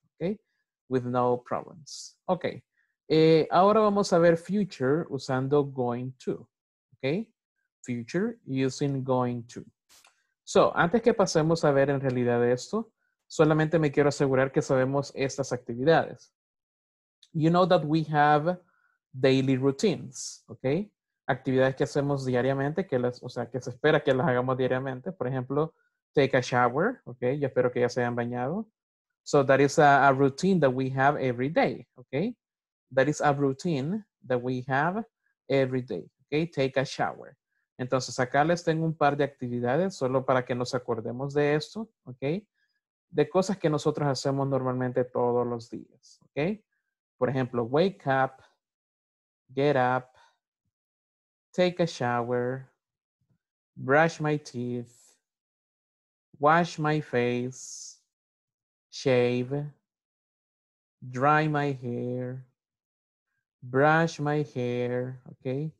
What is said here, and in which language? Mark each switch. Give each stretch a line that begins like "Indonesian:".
English: Okay. With no problems. Okay.
Spanish: Ahora vamos a ver
English: future
Spanish: usando
English: going to. Okay. Future using going to. So,
Spanish: antes que pasemos a ver en realidad esto, solamente me quiero asegurar que sabemos estas actividades.
English: You know that we have daily routines, okay?
Spanish: Actividades que hacemos diariamente, que se espera que las hagamos diariamente. Por ejemplo,
English: take a shower,
Spanish: okay? Yo espero que ya se hayan bañado.
English: So that is a routine that we have every day, okay? That is a routine that we have every day, okay? Take a shower.
Spanish: Entonces, acá les tengo un par de actividades solo para que nos acordemos de esto, okay? De cosas que nosotros hacemos normalmente todos los días, ¿ok? Por ejemplo,
English: wake up, get up, take a shower, brush my teeth, wash my face, shave, dry my hair, brush my hair, ¿ok?